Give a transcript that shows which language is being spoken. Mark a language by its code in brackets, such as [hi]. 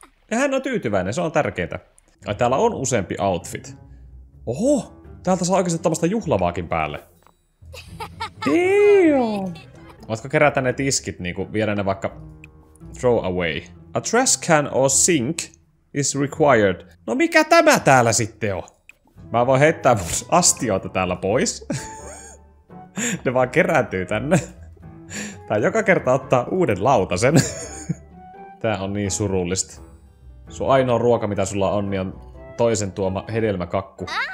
[fi] Ja hän on tyytyväinen, se on tärkeintä. Ai, täällä on useampi outfit. Oho, täältä saa oikeesti tämmöstä juhlavaakin päälle. Damn! Voitko kerätä ne tiskit, niinku viedä ne vaikka [en] throw away. A trash can or sink is required. [fi] No mikä tämä täällä sitten on? Mä voin heittää mun astioita täällä pois. Ne vaan kerääntyy tänne. Tää joka kerta ottaa uuden lautasen. Tää on niin surullista. Sun ainoa ruoka, mitä sulla on, niin on toisen tuoma hedelmäkakku.